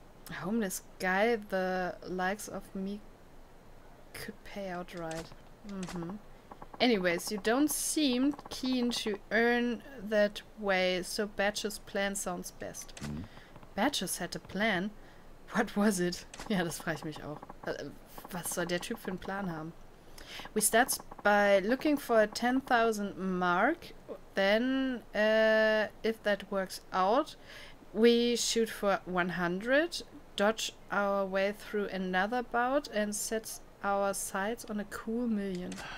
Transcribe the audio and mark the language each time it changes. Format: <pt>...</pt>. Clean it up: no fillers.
<en>A homeless guy the likes of me could pay outright. Anyways, you don't seem keen to earn that way, so Batch's plan sounds best. Batch's had a plan? What was it?</en> <de>Ja, das frage ich mich auch. Was soll der Typ für einen Plan haben?</de> <en>We start by looking for a 10,000 mark, then if that works out, we shoot for 100, dodge our way through another bout and set our sights on a cool million.</en>